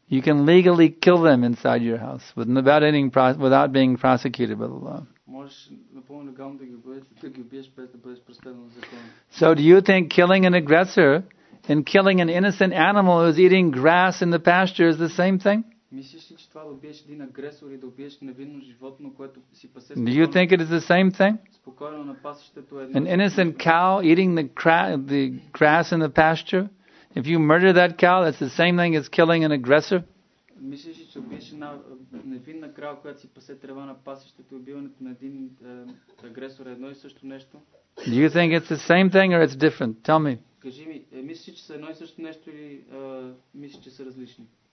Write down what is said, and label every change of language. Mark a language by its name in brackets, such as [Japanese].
[English] You can legally kill them inside your house without being prosecuted by the law. [Bulgarian] Можеш напълно легално да ги убиеш без да бъдеш преследван от закона. [English] So do you think killing an aggressor and killing an innocent animal who is eating grass in the pasture is the same thing? [Bulgarian] Мислиш ли, че това да убиеш един агресор и да убиеш невинно животно, което си пасе? [English] Do you think it is the same thing? [Bulgarian] Спокойно на пасището е. [English] An innocent cow eating the grass in the pasture? If you murder that cow, that's the same thing as killing an aggressor. [Bulgarian] Мислиш ли, че убиеш една невинна крава, която си пасе трева на пасището, убиването на един агресор е едно и също нещо? [English] Do you think it's the same thing or it's different? Tell me. [Bulgarian] Кажи ми, мислиш, че са едно и също нещо или мислиш, че са различни?